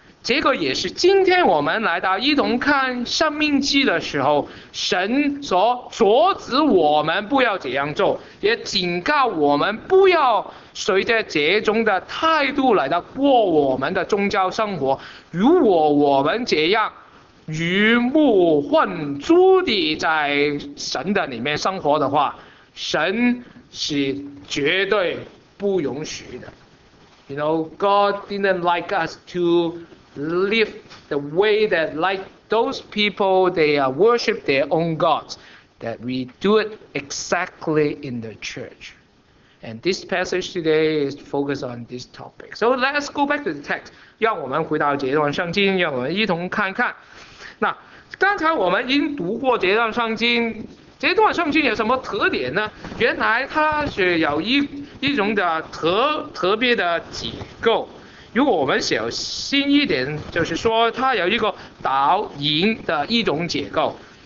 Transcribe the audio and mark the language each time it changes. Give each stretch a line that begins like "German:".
Chinese: 这个也是今天我们来到一同看生命记的时候，神所阻止我们不要这样做，也警告我们不要随着这种的态度来到过我们的宗教生活。如果我们这样鱼目混珠地在神的里面生活的话，神是绝对不允许的。
English: You know, God didn't like us to live the way that like those people they are worship their own gods, that we do it exactly in the church. And this passage today is focused on this topic. So let's go back to the text.
Chinese: 让我们回到这段圣经，让我们一同看看。那刚才我们已经读过这段圣经，这段圣经有什么特点呢？原来它是有一种的特别的结构。如果我们小心一点，就是说它有一个导引的一种结构。